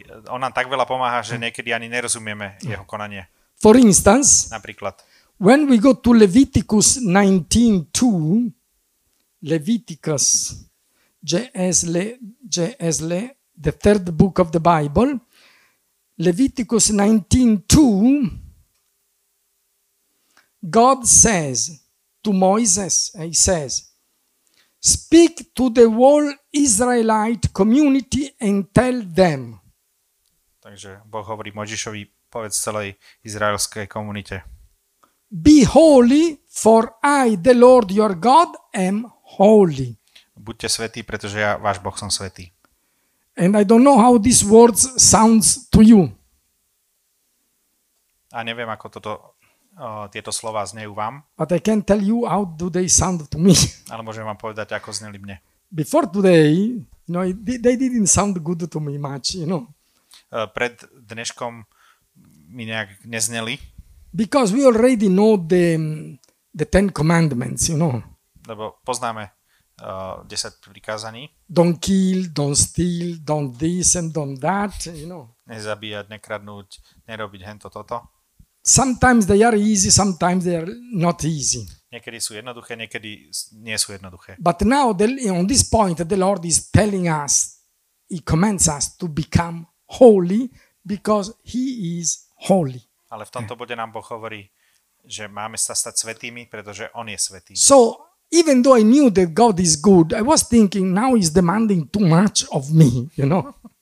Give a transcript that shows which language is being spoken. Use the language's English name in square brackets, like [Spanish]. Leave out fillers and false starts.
[Slovak] On nám tak veľa pomáha, že niekedy ani nerozumieme jeho konanie. [English] For instance, [Slovak] napríklad, [English] when we go to Leviticus 19:2, Leviticus, J.S.L.E., the third book of the Bible, Leviticus 19:2, God says to Moses, he says, speak to the whole Israelite community and tell them. [Slovak] Takže Boh hovorí Mojžišovi, povedz celej izraelskej komunite. [English] Be holy, for I, the Lord your God, am holy. [Slovak] Buďte svätí, pretože ja, váš Boh, som svätý. [English] And I don't know how these words sounds to you. [Slovak] A neviem, ako toto tieto slova znejú vám. [English] But I can tell you how do they sound to me. [Slovak] Ale môžem vám povedať, ako zneli mne. [English] Before today, you know, they didn't sound good to me much, you know. [Slovak] Pred dneškom mi nejak nezneli. [English] Because we already know the Ten Commandments, you know. [Slovak] Lebo poznáme 10 prikázaní. [English] Don't kill, don't steal, don't this and don't that, you know. [Slovak] Nezabíjať, nekradnúť, nerobiť hento toto. [English] Sometimes they are easy, sometimes they are not easy. [Slovak] Niekedy sú jednoduché, niekedy nie sú jednoduché. [English] But now on this point the Lord is telling us, he commands us to become holy because he is holy. [Slovak] Ale v tomto bode nám Boh hovorí, že máme sa stať svätými, pretože on je svätý. [English] So even though I knew that God is good, I was thinking now he's demanding too much of me, you know.